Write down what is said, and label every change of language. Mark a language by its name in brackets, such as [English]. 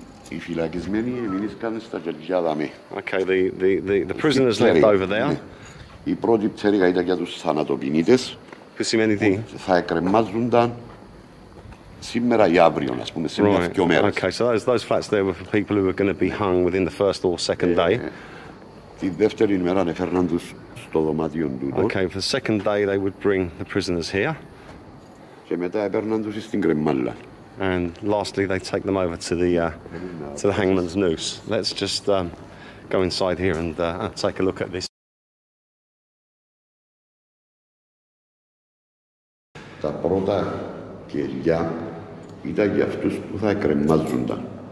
[English] If you like as many, I mean, it's kind of such a job, I mean. Okay, the prisoners left over there. [Greek] Η πρώτη πτέρυγα ήταν για τους θανατοποινίτες. Που σημαίνει τι? Θα εκκρεμάζονταν σήμερα ή αύριο, ας πούμε, σε μια δυο μέρες. [English] Okay, so those flats there were for people who were going to be hung within the first or second day. [Greek] Τη δεύτερη μέρα έφερναν τους στο δωμάτιο του. [English] Okay, for the second day they would bring the prisoners here. [Greek] Και μετά έπαιρναν τους στην κρεμάλα. [English] And lastly they take them over to the hangman's noose. Let's just go inside here and take a look at this. [Greek] Τα πρώτα κεριά ήταν για αυτούς που θα εκκρεμάζονταν.